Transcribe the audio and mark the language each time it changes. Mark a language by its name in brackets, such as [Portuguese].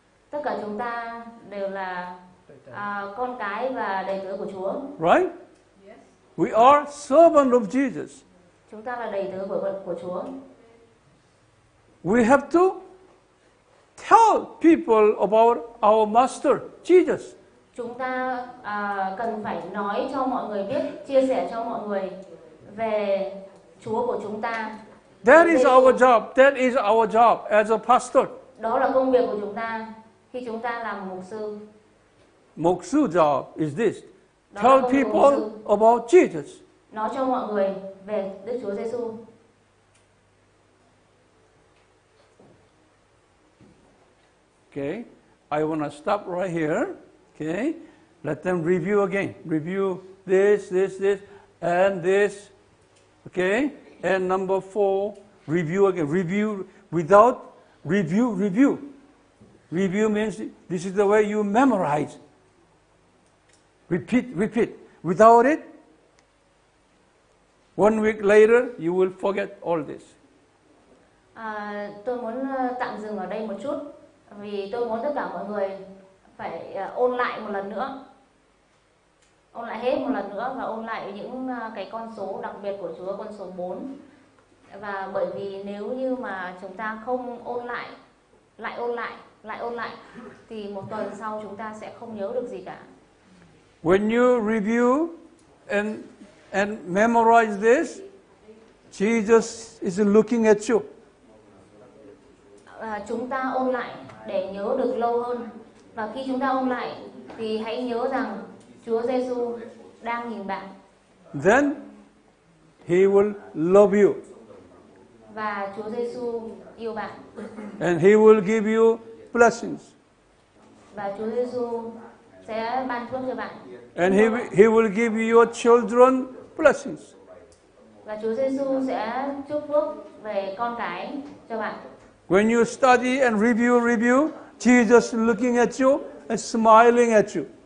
[Vietnamese] Tất cả chúng ta đều là con cái và đệ tử của Chúa. [English] Right? We are servant of Jesus. [Vietnamese] Chúng ta là đệ tử của Chúa. [English] We have to tell people about our master, Jesus. [Vietnamese] Chúng ta cần phải nói cho mọi người biết, chia sẻ cho mọi người về Chúa của chúng ta. [English] That is our job. That is our job as a pastor. [Vietnamese] Đó là công việc của chúng ta khi chúng ta làm mục sư. [English] Mục sư job is this. Tell people about Jesus. [Vietnamese] Nói cho mọi người về Đức Chúa Giêsu. [English] Okay. I want to stop right here. Okay. Let them review again. Review this and this. Okay? And number four, review again. Review without review. Review. Review means this is the way you memorize. Repeat. Without it, 1 week later, you will forget all this. [Vietnamese] Tôi muốn tạm dừng ở đây một chút vì tôi muốn tất cả mọi người phải ôn lại một lần nữa. Ôn lại hết một lần nữa và ôn lại những cái con số đặc biệt của Chúa, con số 4. Và bởi vì nếu như mà chúng ta không ôn lại, lại ôn lại, thì một tuần sau chúng ta sẽ không nhớ được gì cả. [English] When you review and memorize this, Jesus is looking at you. [Vietnamese] Chúng ta ôn lại để nhớ được lâu hơn. Và khi chúng ta ôn lại, thì hãy nhớ rằng Chúa Giêsu đang nhìn bạn. [English] Then he will love you. [Vietnamese] Và Chúa Giêsu yêu bạn. [English] And he will give you blessings. [Vietnamese] Và Chúa Giêsu sẽ ban phước cho bạn. [English] And he will give your children blessings. [Vietnamese] Và Chúa Giêsu sẽ chúc phước về con cái cho bạn. [English] When you study and review, Jesus looking at you and smiling at you.